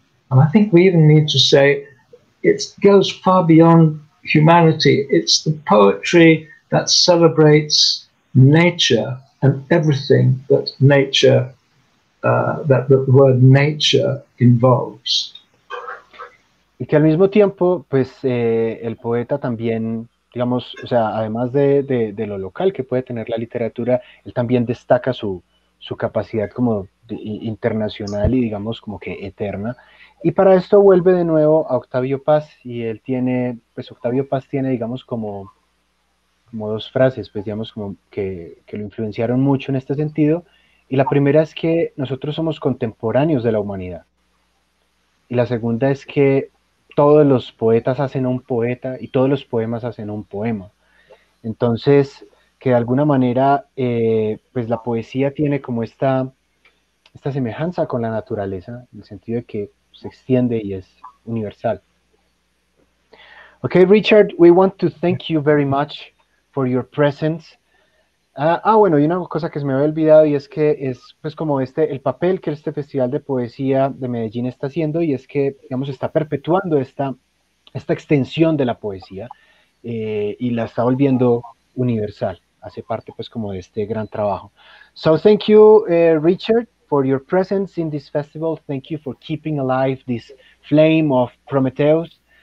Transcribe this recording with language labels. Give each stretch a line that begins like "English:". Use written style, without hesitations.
English: And I think we even need to say it goes far beyond humanity. It's the poetry that celebrates nature and everything that nature, that the word nature involves.
Spanish: Y que al mismo tiempo, pues, el poeta también, digamos, o sea, además de lo local que puede tener la literatura, él también destaca su capacidad como internacional y, digamos, como que eterna. Y para esto vuelve de nuevo a Octavio Paz, y él tiene, pues Octavio Paz tiene, digamos, como dos frases, pues digamos, como que lo influenciaron mucho en este sentido. Y la primera es que nosotros somos contemporáneos de la humanidad. Y la segunda es que todos los poetas hacen un poeta y todos los poemas hacen un poema. Entonces, que de alguna manera, pues la poesía tiene como esta semejanza con la naturaleza, en el sentido de que se extiende y es universal.
English: Okay, Richard, we want to thank you very much for your presence.
Spanish: Bueno, y una cosa que se me había olvidado, y es que es pues como este el papel que este Festival de Poesía de Medellín está haciendo, y es que, digamos, está perpetuando esta extensión de la poesía, y la está volviendo universal. Hace parte pues como de este gran trabajo.
English: So thank you, Richard, for your presence in this festival. Thank you for keeping alive this flame of Prometheus.